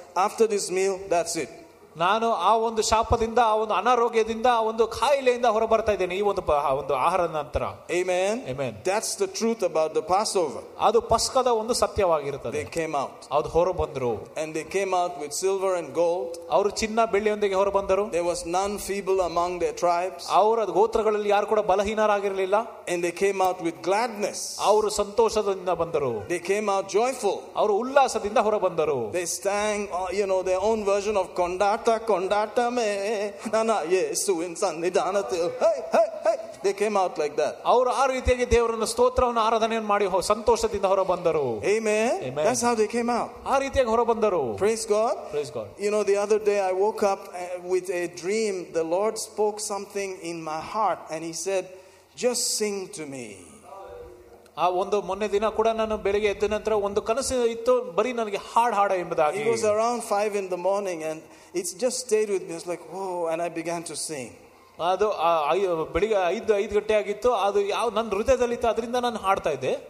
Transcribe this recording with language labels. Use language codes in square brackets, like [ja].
[en] After this meal, that's it. [kn] ನಾನು ಆ ಒಂದು ಶಾಪದಿಂದ, ಆ ಒಂದು ಅನಾರೋಗ್ಯದಿಂದ, ಆ ಒಂದು ಕಾಯಿಲೆಯಿಂದ ಹೊರಬರ್ತಾ ಇದ್ದೇನೆ ಈ ಒಂದು ಒಂದು ಆಹಾರದ ನಂತರ. [en] Amen. Amen. That's the truth about the Passover. [kn] ಅದು ಪಸ್ಕದ ಒಂದು ಸತ್ಯವಾಗಿರುತ್ತದೆ. [en] They came out. [kn] ಅವರು ಹೊರಬಂದರು. [en] And they came out with silver and gold. [kn] ಅವರು ಚಿನ್ನ ಬೆಳ್ಳಿಯೊಂದಿಗೆ ಹೊರಬಂದರು. [en] There was none feeble among their tribes. [kn] ಅವರ ಗೋತ್ರಗಳಲ್ಲಿ ಯಾರು ಕೂಡ ಬಲಹೀನರಾಗಿರಲಿಲ್ಲ. [en] And they came out with gladness. [kn] ಅವರು ಸಂತೋಷದಿಂದ ಬಂದರು. [en] They came out joyful. [kn] ಅವರು ಉಲ್ಲಾಸದಿಂದ ಹೊರಬಂದರು. [en] They sang, you know, their own version of kondata. [kn] ಕೊಂಡಾಟಮೆ ನನ್ನ ಯೇಸುವಿನ ಸನ್ನಿಧಾನತೆ. [en] They came out like that. [kn] ಅವರು ಆ ರೀತಿಯಾಗಿ ದೇವರನ್ನು ಸ್ತೋತ್ರವನ್ನು ಆರಾಧನೆಯನ್ನು ಮಾಡಿ ಸಂತೋಷದಿಂದ ಹೊರಬಂದರು. [en] Amen. That's how they came out. [kn] ಆ ರೀತಿಯಾಗಿ ಹೊರಬಂದರು. [en] Praise God. Praise God. You know, the other day I woke up with a dream. The Lord spoke something in my heart and he said, just sing to me. [kn] ಆ ಒಂದು ಮೊನ್ನೆ ದಿನ ಕೂಡ ನಾನು ಬೆಳಿಗ್ಗೆ ಎದ್ದ ನಂತರ ಒಂದು ಕನಸು ಇತ್ತು, ಬರೀ ನನಗೆ ಹಾಡ್ ಹಾಡ ಎಂಬುದಾಗಿ. [en] It was around 5 in the morning and it's just stayed with me. It's like, whoa, and I began to sing. [kn] ಅದು ಬೆಳಿಗ್ಗೆ 5 ಗಂಟೆ ಆಗಿತ್ತು. ಅದು ಯಾವ ನನ್ನ ಹೃದಯದಲ್ಲಿ ಇತ್ತು, ಅದರಿಂದ ನಾನು ಹಾಡ್ತಾ ಇದ್ದೆ.